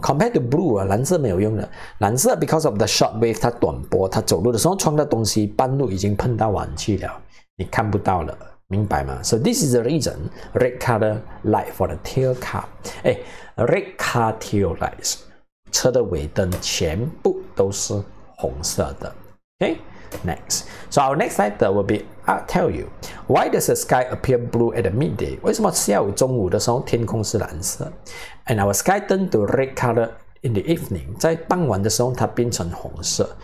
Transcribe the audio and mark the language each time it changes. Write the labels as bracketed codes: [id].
[en] Compared to blue [zh] 啊，蓝色没有用的。蓝色 [en] because of the short wave, [zh] 它短波，它走路的时候撞到东西，半路已经碰到晚去了，你看不到了，明白吗 ？ [en] So this is the reason red color light for the tail car. Red car tail lights, [zh] 车的尾灯全部都是红色的。 [en] Okay. Next. So our next item will be, I'll tell you, why does the sky appear blue at the midday? [zh] 为什么下午中午的时候天空是蓝色? [en] And our sky turned to red color in the evening. [zh] 在傍晚的时候它变成红色。